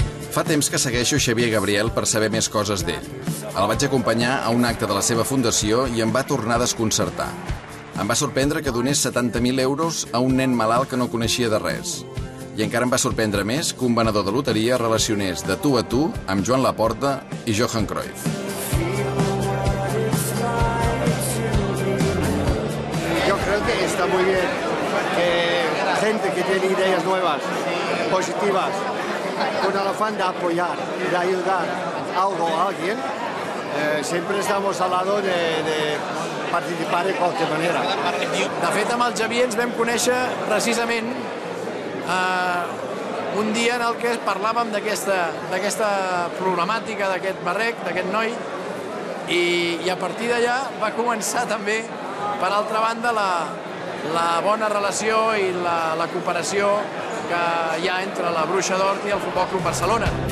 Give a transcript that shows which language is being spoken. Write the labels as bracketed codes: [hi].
[ca] Fa temps que segueixo Xavier Gabriel per saber més coses d'ell. El vaig acompanyar a un acte de la seva fundació i em va tornar a desconcertar. Em va sorprendre que donés 70.000 euros a un nen malalt que no coneixia de res. I encara em va sorprendre més que un venedor de loteria relacionés de tu a tu amb Joan Laporta i Johan Cruyff. [es] Yo creo que está muy bien que gente que tiene ideas nuevas, positivas, con el afán de apoyar, de ayudar algo a alguien, siempre estamos al lado de participar de qualque manera. [ca] De fet, amb el Xavier ens vam conèixer precisament un dia en el que parlàvem d'aquesta problemàtica d'aquest barrec, d'aquest noi, i a partir d'allà va començar també, per altra banda, la bona relació i la cooperació que hi ha entre la Bruixa d'Hort i el Futbol Club Barcelona.